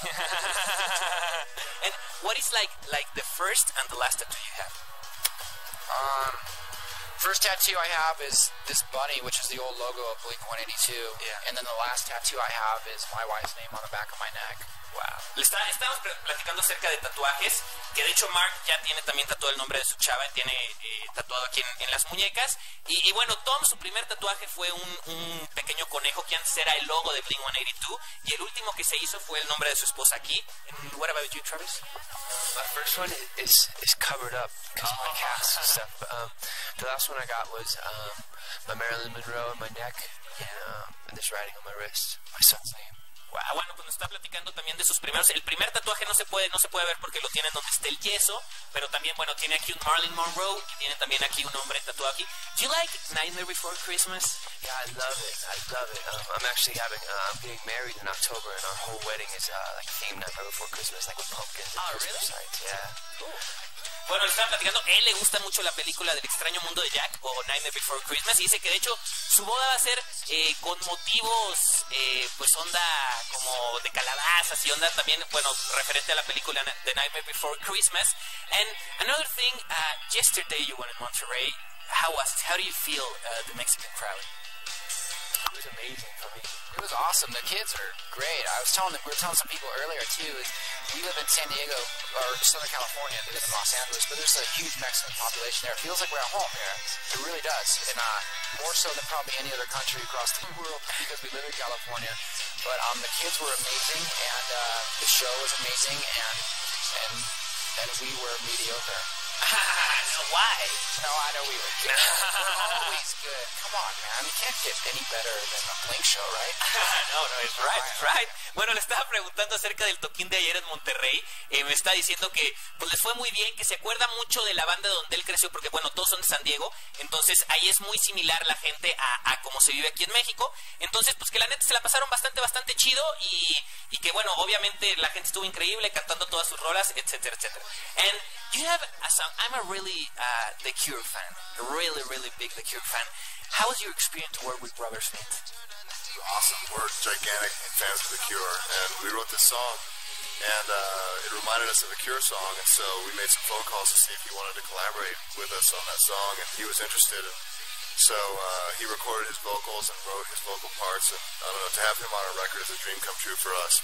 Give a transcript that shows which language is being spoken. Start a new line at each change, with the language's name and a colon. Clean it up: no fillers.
English: And what is like the first and the last tattoo you have? First tattoo I have is this bunny, which is the old logo of Blink 182. Yeah. And then the last tattoo I have is my wife's name on the back of my neck. Wow.
Spanish: Estamos platicando acerca de tatuajes, que de hecho Mark ya tiene también tatuado el nombre de su chava, tiene tatuado aquí en las muñecas. Y bueno, Tom, su primer tatuaje fue un pequeño conejo que antes era el logo de Blink 182. Y el último que se hizo fue el nombre de su esposa aquí.
English: What about you, Travis? My first one is covered up because of my cast and stuff. The last one I got was my Marilyn Monroe on my neck and this writing on my wrist, my son's name.
Spanish: Bueno, pues nos está platicando también de sus primeros. El primer tatuaje no se puede ver porque lo tiene donde está el yeso, pero también, bueno, tiene aquí un Marilyn Monroe y tiene también aquí un hombre tatuado aquí.
English: Do you like Nightmare Before Christmas? Yeah, I love it. I love it. I'm actually having I'm getting married in October and our whole wedding is like themed Nightmare Before Christmas, like with pumpkins. Oh, Christmas really? Lights. Yeah. Cool.
Spanish: Bueno, le estaba platicando, él le gusta mucho la película del extraño mundo de Jack o Nightmare Before Christmas y dice que de hecho su boda va a ser con motivos, pues onda como de calabazas y onda también, bueno, referente a la película de Nightmare Before Christmas.
English: And another thing, yesterday you went in Monterrey, how was it? How do you feel the Mexican crowd? It was amazing for me. It was awesome. The kids are great. I was telling them, we were telling some people earlier too, is we live in San Diego or Southern California, they live in Los Angeles, but there's a huge Mexican population there. It feels like we're at home here. It really does. And more so than probably any other country across the world because we live in California. But the kids were amazing and the show was amazing and we were mediocre. Why? No, I know we were good. We're always good. Come on, man. You can't get any better than a Blink show, right? No, it's right. It's right.
Spanish: Bueno, le estaba preguntando acerca del toquín de ayer en Monterrey. Me está diciendo que pues les fue muy bien, que se acuerda mucho de la banda donde él creció, porque bueno, todos son de San Diego, entonces ahí es muy similar la gente a cómo se vive aquí en México. Entonces, pues que la neta se la pasaron bastante, bastante chido y que bueno, obviamente la gente estuvo increíble cantando todas sus rolas, etcétera, etcétera.
English: And you have a song. I'm a really The Cure fan, really, really big The Cure fan. How was your experience to work with Robert Smith? Awesome. We're gigantic fans of The Cure, and we wrote this song, and it reminded us of a Cure song, and so we made some phone calls to see if he wanted to collaborate with us on that song, and he was interested, and so he recorded his vocals and wrote his vocal parts, and I don't know, to have him on our record is a dream come true for us.